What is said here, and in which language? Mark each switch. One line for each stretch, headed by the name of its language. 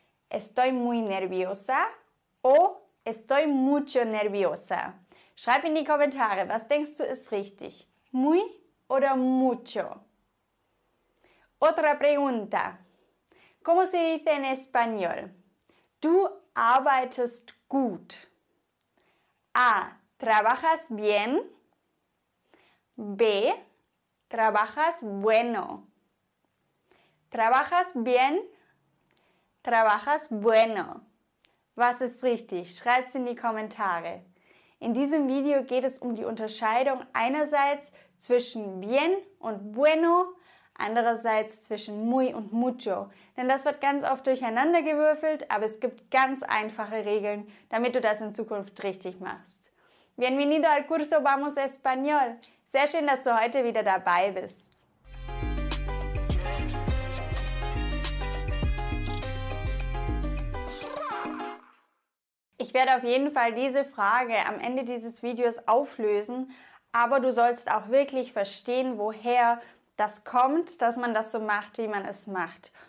Spanish: Estoy muy nerviosa o estoy mucho nerviosa.
German: Schreib in die Kommentare, was denkst du ist richtig?
Spanish: Muy
German: oder
Spanish: mucho? Otra pregunta. ¿Cómo se dice en español?
German: Du arbeitest gut.
Spanish: A. Trabajas bien. B. Trabajas bueno. Trabajas bien. Trabajas bueno.
German: Was ist richtig? Schreib's in die Kommentare. In diesem Video geht es um die Unterscheidung einerseits zwischen bien und bueno, andererseits zwischen muy und mucho. Denn das wird ganz oft durcheinander gewürfelt, aber es gibt ganz einfache Regeln, damit du das in Zukunft richtig machst.
Spanish: Bienvenido al curso Vamos Español.
German: Sehr schön, dass du heute wieder dabei bist. Ich werde auf jeden Fall diese Frage am Ende dieses Videos auflösen, aber du sollst auch wirklich verstehen, woher das kommt, dass man das so macht, wie man es macht.